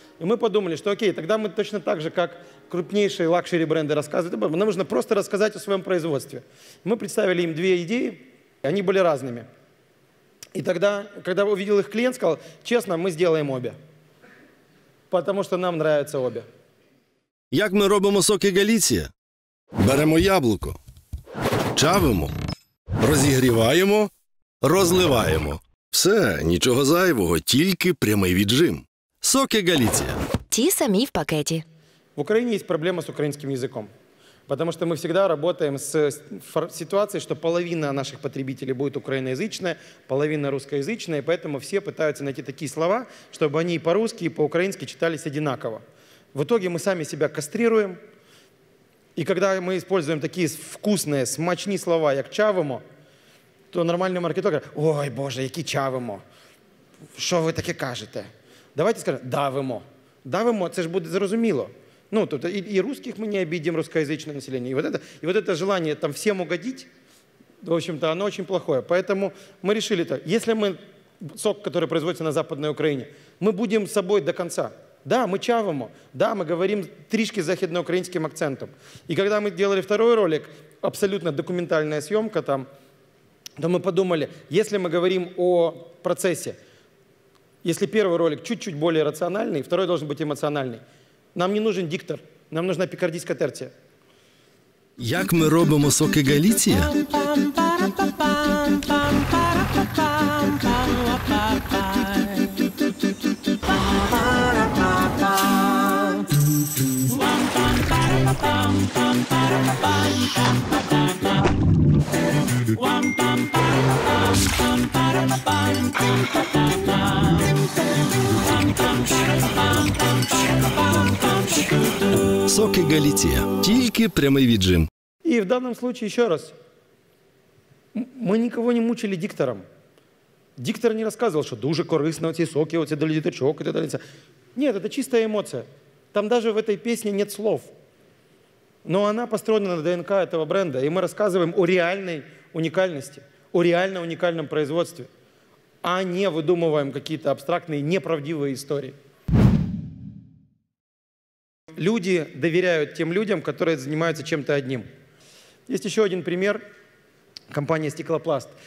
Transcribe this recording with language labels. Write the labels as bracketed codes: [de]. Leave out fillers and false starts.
[ru] И мы подумали, что окей, тогда мы точно так же, как крупнейшие лакшери бренды рассказывают, нам нужно просто рассказать о своем производстве. Мы представили им две идеи, и они были разными. И тогда, когда увидел их клиент, сказал, честно, мы сделаем обе. Потому что нам нравятся обе. [uk] Як ми робимо соки Галіція? Беремо яблуко, чавимо, розігріваємо, розливаємо. Все, нічого зайвого, тільки прямий віджим. Соки Галіція. Ті самі в пакеті. В Україні є проблема з українським язиком. [ru] Потому что мы всегда работаем с ситуацией, что половина наших потребителей будет украиноязычная, половина русскоязычная, и поэтому все пытаются найти такие слова, чтобы они и по-русски, и по-украински читались одинаково. В итоге мы сами себя кастрируем, и когда мы используем такие вкусные, смачные слова, как «чавимо», то нормальный маркетолог говорит, [uk] ой, боже, які чавимо, [ru] что вы таке кажете? Давайте скажем «давимо». «Давимо» — это же будет зрозуміло. Ну, тут и русских мы не обидим, русскоязычное население, и вот это желание там всем угодить, в общем-то, оно очень плохое. Поэтому мы решили это. Если мы сок, который производится на Западной Украине, мы будем с собой до конца. Да, мы чавимо, да, мы говорим [uk] трішки західноукраїнським акцентом. [ru] И когда мы делали второй ролик, абсолютно документальная съемка там, то мы подумали, если мы говорим о процессе, если первый ролик чуть-чуть более рациональный, второй должен быть эмоциональный. Нам не нужен диктор, нам нужна пікардійська терція. [uk] Як ми робимо соки Галіція? Соки Галіція. Тільки прямий віджим. І в даному случае ще раз. Ми нікого не мучили диктором. Диктор не розказував, що дуже корисно ці соки, оце для діточок і так далі. Ні, це чиста емоція. Там навіть в цій пісні [ru] нет слов. Но она построена на ДНК этого бренда. И мы рассказываем о реальной уникальности, о реально уникальном производстве, а не выдумываем какие-то абстрактные, неправдивые истории. Люди доверяют тем людям, которые занимаются чем-то одним. Есть еще один пример. Компания «Стеклопласт».